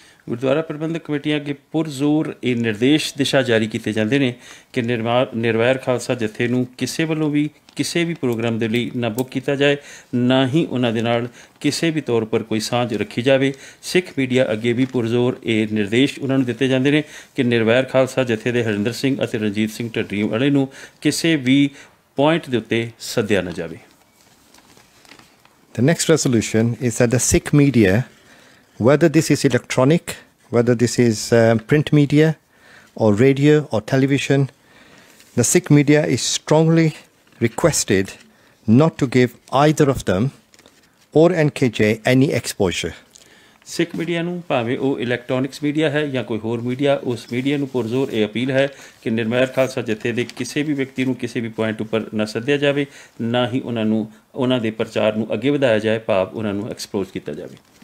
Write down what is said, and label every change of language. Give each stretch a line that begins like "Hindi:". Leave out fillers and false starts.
Punjabi: ਗੁਰਦੁਆਰਾ ਪ੍ਰਬੰਧਕ ਕਮੇਟੀਆਂ ਅੱਗੇ ਪੁਰਜ਼ੋਰ ਇਹ ਨਿਰਦੇਸ਼ ਦਿਸ਼ਾ ਜਾਰੀ ਕੀਤੇ ਜਾਂਦੇ ਨੇ ਕਿ ਨਿਰਵੈਰ ਖਾਲਸਾ ਜਥੇ ਨੂੰ ਕਿਸੇ ਵੱਲੋਂ ਵੀ ਕਿਸੇ ਵੀ ਪ੍ਰੋਗਰਾਮ ਦੇ ਲਈ ਨਾ ਬੁੱਕ ਕੀਤਾ ਜਾਵੇ, ਨਾ ਹੀ ਉਹਨਾਂ ਦੇ ਨਾਲ ਕਿਸੇ ਵੀ ਤੌਰ ਉੱਪਰ ਕੋਈ ਸਾਂਝ ਰੱਖੀ ਜਾਵੇ। ਸਿੱਖ ਮੀਡੀਆ ਅੱਗੇ ਵੀ ਪੁਰਜ਼ੋਰ ਇਹ ਨਿਰਦੇਸ਼ ਉਹਨਾਂ ਨੂੰ ਦਿੱਤੇ ਜਾਂਦੇ ਨੇ ਕਿ ਨਿਰਵੈਰ ਖਾਲਸਾ ਜਥੇ ਦੇ ਹਰਿੰਦਰ ਸਿੰਘ ਅਤੇ ਰਣਜੀਤ ਸਿੰਘ ਢੱਡਰੀ ਵਾਲੇ ਨੂੰ ਕਿਸੇ ਵੀ ਪੁਆਇੰਟ ਦੇ ਉੱਤੇ ਸੱਦਿਆ ਨਾ ਜਾਵੇ।
English: The next resolution is that the Sikh media, whether this is electronic, whether this is print media or radio or television, the Sikh media is strongly requested not to give either of them or NKJ any exposure.
Punjabi: Sikh media ਨੂੰ ਭਾਵੇਂ ਉਹ electronics media ਹੈ ਜਾਂ ਕੋਈ ਹੋਰ media, ਉਸ media ਨੂੰ ਪੁਰਜ਼ੋਰ ਇਹ ਅਪੀਲ ਹੈ ਕਿ ਨਿਰਵੈਰ ਖਾਲਸਾ ਜਥੇ ਦੇ ਕਿਸੇ ਵੀ ਵਿਅਕਤੀ ਨੂੰ ਕਿਸੇ ਵੀ ਪੁਆਇੰਟ ਉੱਪਰ ਨਾ ਸੱਦਿਆ ਜਾਵੇ, ਨਾ ਹੀ ਉਹਨਾਂ ਨੂੰ ਉਹਨਾਂ ਦੇ ਪ੍ਰਚਾਰ ਨੂੰ ਅੱਗੇ ਵਧਾਇਆ ਜਾਵੇ ਭਾਵ ਉਹਨਾਂ ਨੂੰ ਐਕਸਪੋਜ਼ ਕੀਤਾ ਜਾਵੇ।